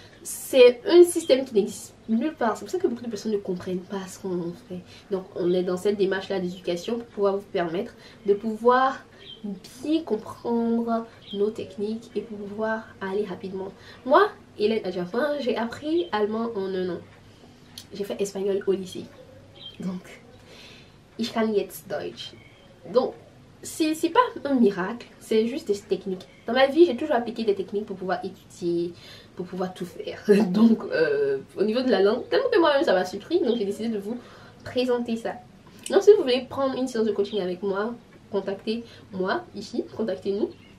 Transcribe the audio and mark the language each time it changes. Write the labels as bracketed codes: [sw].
[fr] C'est un système qui n'existe nulle part. C'est pour ça que beaucoup de personnes ne comprennent pas ce qu'on fait. Donc on est dans cette démarche-là d'éducation pour pouvoir vous permettre de pouvoir bien comprendre nos techniques et pouvoir aller rapidement. Moi, Hélène Adjafin, j'ai appris allemand en un an. J'ai fait espagnol au lycée. [de] Donc, ich kann jetzt Deutsch. [fr] Donc, c'est pas un miracle, c'est juste des techniques. Dans ma vie, j'ai toujours appliqué des techniques pour pouvoir étudier, pour pouvoir tout faire. Donc, au niveau de la langue, tellement que moi-même ça m'a surpris, donc j'ai décidé de vous présenter ça. Donc, si vous voulez prendre une séance de coaching avec moi, contactez-moi ici, contactez-nous.